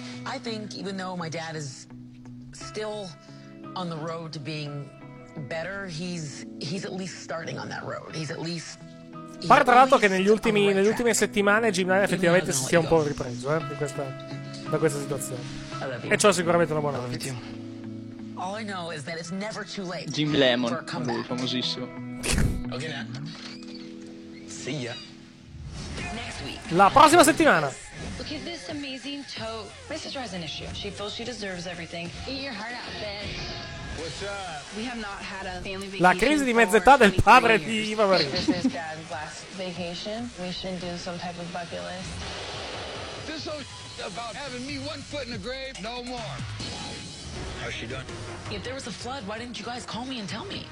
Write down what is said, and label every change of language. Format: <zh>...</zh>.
<en>I think even though my dad is still on the road to being better, he's at least starting on that road.</en> <it>Pare tra l'altro che nelle ultime settimane Ginnar effettivamente si sia un po' ripreso da questa situazione. E ciò è sicuramente una buona notizia.</it> <en>All I know is that it's never too late.</en> <it>Jim Lemon, famosissimo.</it> <en>Okay, man. See ya.</en> <it>La prossima settimana.</it> <en>Look at this amazing tote. My sister has an issue. She feels she deserves everything. Eat your heart out, bitch. What's up? We have not had a family vacation.</en> <it>La crisi di mezz'età del padre di Eva Marie.</it> <en>This is Dad's last vacation. We should do some type of bucket list. This whole about having me one foot in the grave, no more. How's she done? If there was a flood, why didn't you guys call me and tell me?</en>